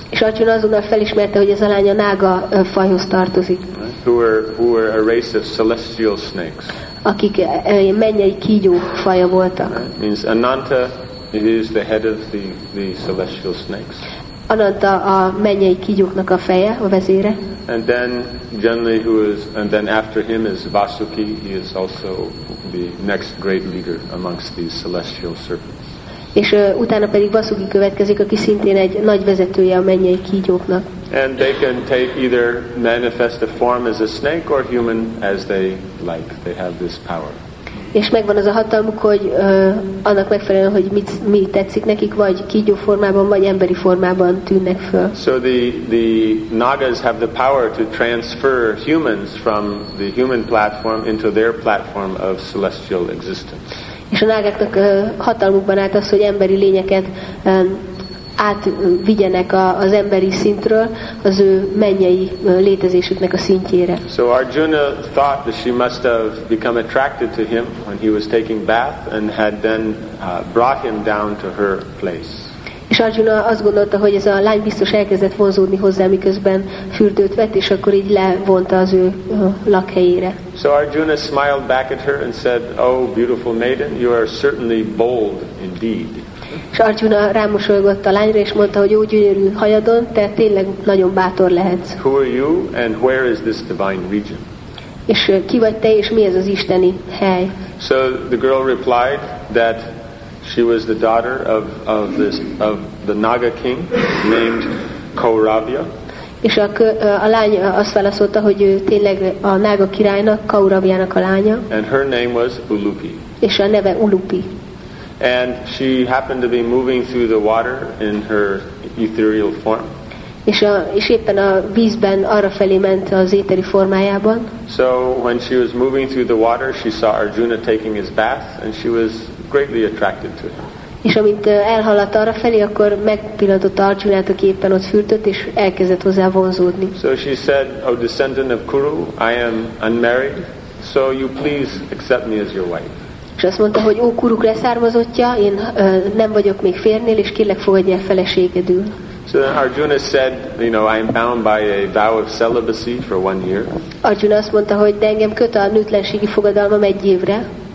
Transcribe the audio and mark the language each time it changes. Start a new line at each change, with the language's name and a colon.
Hungarian: És Arjuna azonnal felismerte, hogy ez a lány a Naga fajhoz tartozik.
English: Who were a race of celestial snakes.
Hungarian: Akik mennyei kígyó faja voltak.
English: Means Ananta is the head of the celestial snakes.
Hungarian: Ananta a mennyei kígyóknak a feje, a vezére.
English: And then Janli, who is, and then after him is Vasuki. He is also the next great leader amongst these celestial serpents.
Hungarian: És utána pedig Vasuki következik, aki szintén egy nagy vezetője a mennyei kígyóknak.
English: And they can take either manifest a form as a snake or human as they like. They have this power.
Hungarian: És megvan az a hatalmuk, hogy annak megfelelően, hogy mi tetszik nekik, vagy kígyó formában, vagy emberi formában tűnnek föl.
English: So the Nagas have the power to transfer humans from the human platform into their platform of celestial existence.
Hungarian: És a nágáknak hatalmukban állt az, hogy emberi lényeket átvigyenek az emberi szintről az ő mennyei létezésüknek a szintjére.
English: So Arjuna thought that she must have become attracted to him when he was taking bath and had then brought him down to her place.
Hungarian: És Arjuna azt gondolta, hogy ez a lány biztos elkezdett vonzódni hozzá, miközben fürdőt vett, és akkor így levonta az ő lakhelyére.
English: So Arjuna smiled back at her and said, "Oh, beautiful maiden, you are certainly bold indeed."
Hungarian: És Arjuna rámosolgott a lányra, és mondta, hogy ó, gyönyörű hajadon, te tényleg nagyon bátor lehetsz.
English: Who are you and where is this divine region?
Hungarian: És ki vagy te, és mi ez az isteni hely?
English: So the girl replied that she was the daughter of the Naga king named Kauravya.
Hungarian: És a lány azt válaszolta, hogy ő tényleg a Naga királynak, Kauravyának a lánya.
English: And her name was Ulupi.
Hungarian: És a neve Ulupi.
English: And she happened to be moving through the water in her ethereal form.
Hungarian: És éppen a vízben arrafelé ment az éteri formájában.
English: So when she was moving through the water, she saw Arjuna taking his bath, and she was greatly attracted to him.
Hungarian: És amint elhaladt arrafelé, akkor megpillantotta Arjunát, aki éppen ott fürdött, és elkezdett hozzá vonzódni.
English: So she said, "O descendant of Kuru, I am unmarried, so you please accept me as your wife."
Hungarian: És azt mondta, hogy ó, Kuruk leszármazottja, én nem vagyok még férnél, és kérlek, fogadj el feleségedül.
English: So then Arjuna said, you know, I am bound by a vow of celibacy for one year.
Hungarian: Arjuna azt mondta, hogy de engem köt a nőtlenségi fogadalmam egy évre.